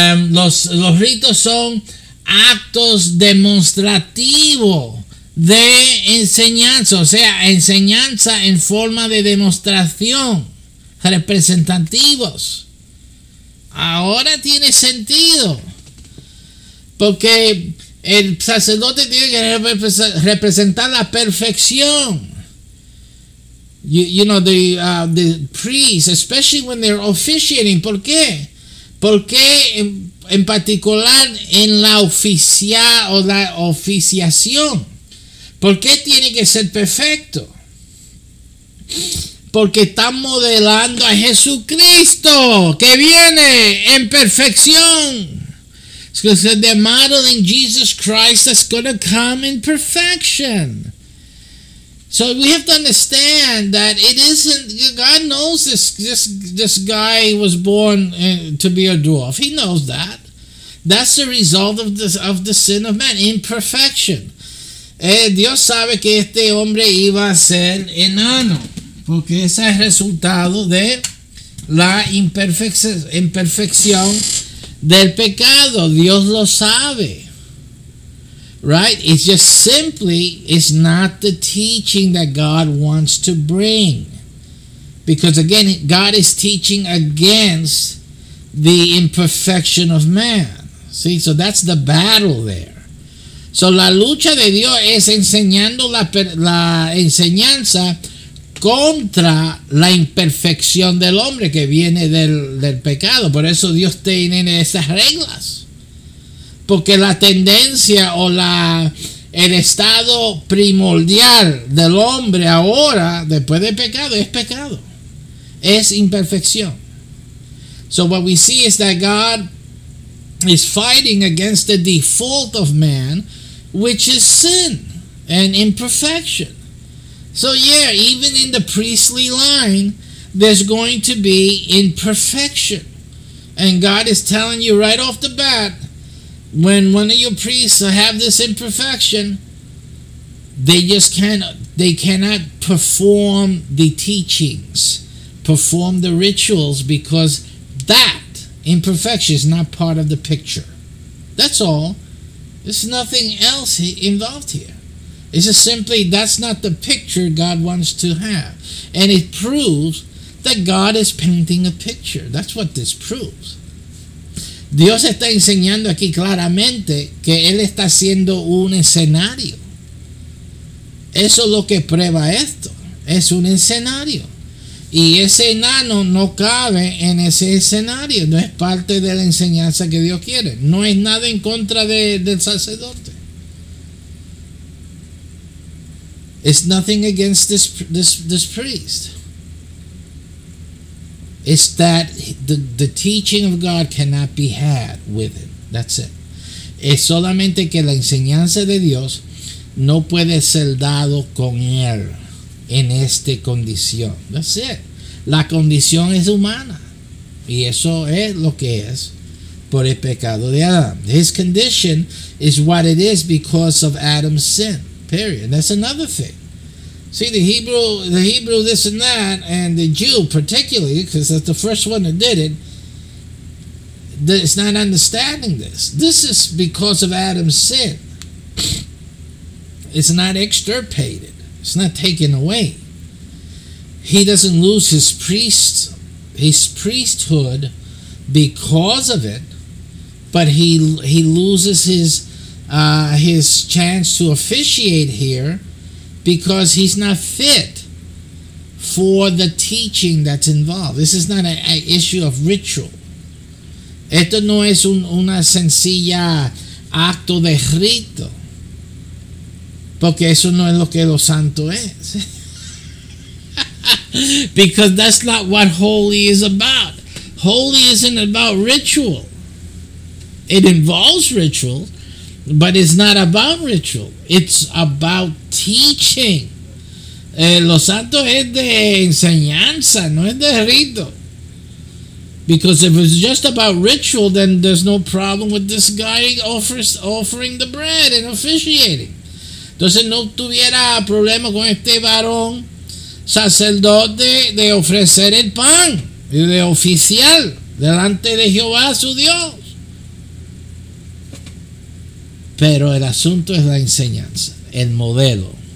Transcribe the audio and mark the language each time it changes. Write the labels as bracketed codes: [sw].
[es] Los ritos son actos demostrativos de enseñanza. O sea, enseñanza en forma de demostración. Representativos. Ahora tiene sentido. Porque el sacerdote tiene que representar la perfección. [en] You know, the priests, especially when they're officiating. [es] ¿Por qué? Porque en particular en la oficiar o la oficiación. ¿Por qué tiene que ser perfecto? Porque están modelando a Jesucristo que viene en perfección. [en] So they're modeling Jesus Christ that's going to come in perfection. So we have to understand that it isn't, God knows this guy was born to be a dwarf. He knows that. That's the result of the sin of man, imperfection. [es] Dios sabe que este hombre iba a ser enano, porque ese es el resultado de la imperfección del pecado. Dios lo sabe. [en] Right? It's just simply, it's not the teaching that God wants to bring. Because again, God is teaching against the imperfection of man. See, so that's the battle there. So [es] la lucha de Dios es enseñando la enseñanza contra la imperfección del hombre que viene del pecado. Por eso Dios tiene esas reglas. Porque la tendencia o el estado primordial del hombre ahora, después del pecado. Es imperfección. [en] So what we see is that God is fighting against the default of man, which is sin and imperfection. So yeah, even in the priestly line, there's going to be imperfection. And God is telling you right off the bat, when one of your priests have this imperfection, they cannot perform the teachings, perform the rituals, because that imperfection is not part of the picture. That's all. There's nothing else involved here. It's just simply, that's not the picture God wants to have. And it proves that God is painting a picture. That's what this proves. [es] Dios está enseñando aquí claramente que Él está haciendo un escenario. Eso es lo que prueba esto. Es un escenario. Y ese enano no cabe en ese escenario. No es parte de la enseñanza que Dios quiere. No es nada en contra del sacerdote. [en] It's nothing against this priest. It's that the teaching of God cannot be had with it. That's it. [es] Es solamente que la enseñanza de Dios no puede ser dado con él en esta condición. [en] That's it. [es] La condición es humana. Y eso es lo que es por el pecado de Adán. [en] His condition is what it is because of Adam's sin. Period. That's another thing. See, the Hebrew this and that, and the Jew particularly, because that's the first one that did it, is not understanding this. This is because of Adam's sin. It's not extirpated. It's not taken away. He doesn't lose his priesthood because of it, but he loses his chance to officiate here, because he's not fit for the teaching that's involved. This is not an issue of ritual. [es] Esto no es una sencilla acto de rito. Porque eso no es lo que lo santo es. [en] Because that's not what holy is about. Holy isn't about ritual. It involves ritual. But it's not about ritual. It's about teaching. [es] Lo santo es de enseñanza, no es de rito. [en] Because if it's just about ritual, then there's no problem with this guy offering the bread and officiating. [es] Entonces no tuviera problema con este varón sacerdote de ofrecer el pan y de oficial delante de Jehová su Dios. Pero el asunto es la enseñanza, el modelo.